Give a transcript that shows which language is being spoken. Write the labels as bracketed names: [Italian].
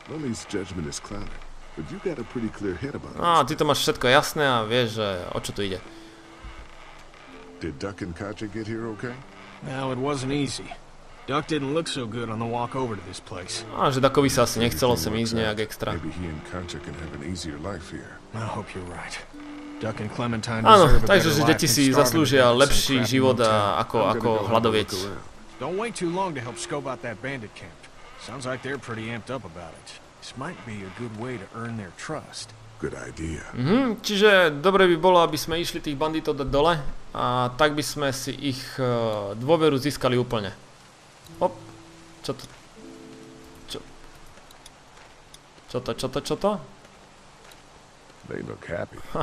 [English] Lily's judgment is clouded, but you got a pretty clear head about it. [Slovak] No, ty to máš všetko jasné a vieš, že o čo tu ide. [English] Did Duck and Katja get here okay? Well, it wasn't easy. Duck didn't look so good on the walk over to this place. [Slovak] A že Duckovi sa asi nechcelo sem ísť nejak extra. [English] Maybe he and Katja can have an easier life here. I hope you're right. Duck and Clementine deserve a better life. [Slovak] Áno, takže deti si zaslúžia lepší život ako hladovieť. [English] Don't wait too long to help scope out that bandit camp. Sounds like they're pretty amped up about it. This might be a good way to earn their trust. Good idea. [Slovak] Čiže dobre by bolo, aby sme išli tých banditov dať dole a tak by sme si ich dôveru získali úplne. Hop, čo to? [English] They look happy.